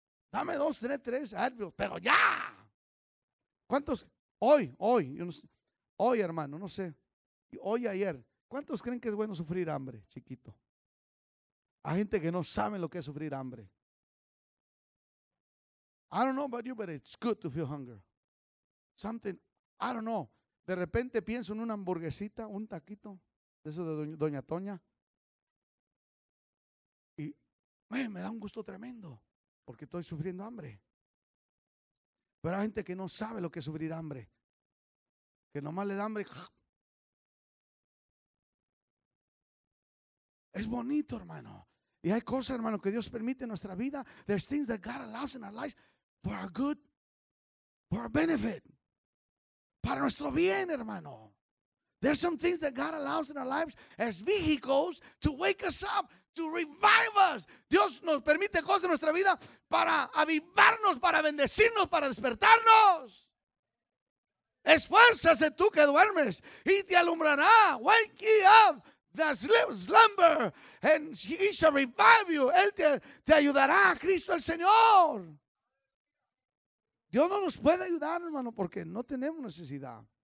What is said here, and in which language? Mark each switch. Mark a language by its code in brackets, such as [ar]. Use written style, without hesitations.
[es] Dame dos, tres Advil, pero ya. ¿Cuántos? Hoy, yo no sé. Hoy, hermano, no sé. Hoy, ayer. ¿Cuántos creen que es bueno sufrir hambre, chiquito? Hay gente que no sabe lo que es sufrir hambre. [en] I don't know about you, but it's good to feel hunger. Something, I don't know. [es] De repente pienso en una hamburguesita, un taquito, eso de Doña Toña. Y me da un gusto tremendo porque estoy sufriendo hambre. Pero hay gente que no sabe lo que es sufrir hambre. Que nomás le da hambre. Es bonito, hermano. Y hay cosas, hermano, que Dios permite en nuestra vida. [en] There's things that God allows in our lives for our good, for our benefit. [es] Para nuestro bien, hermano. [en] There's some things that God allows in our lives as vehicles to wake us up, to revive us. [es] Dios nos permite cosas en nuestra vida para avivarnos, para bendecirnos, para despertarnos. Esfuérzase tú que duermes y te alumbrará. [en] Wake ye up the slumber and he shall revive you. [es] Él te ayudará, Cristo el Señor. Dios no nos puede ayudar, hermano, porque no tenemos necesidad.